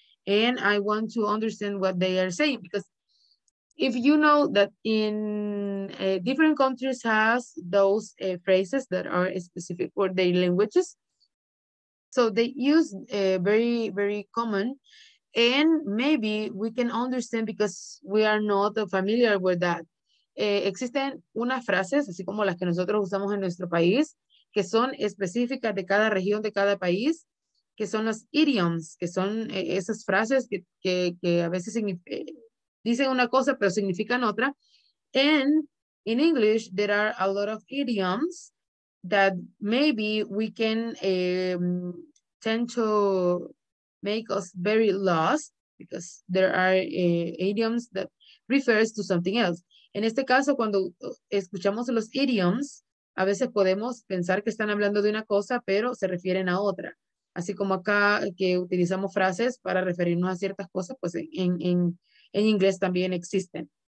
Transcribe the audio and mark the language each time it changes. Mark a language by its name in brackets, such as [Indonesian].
[English] And I want to understand what they are saying, because if you know that in different countries has those phrases that are specific for their languages, so they use very, very common, and maybe we can understand because we are not familiar with that. [Spanish] Existen unas frases, así como las que nosotros usamos en nuestro país, que son específicas de cada región, de cada país, que son los idioms, que son esas frases que a veces dicen una cosa, pero significan otra. [English] And in English, there are a lot of idioms that maybe we can tend to make us very lost, because there are idioms that refers to something else. [Spanish] En este caso, cuando escuchamos los idioms, a veces podemos pensar que están hablando de una cosa, pero se refieren a otra. Así como acá que utilizamos frases para referirnos a ciertas cosas, pues en inglés también existen.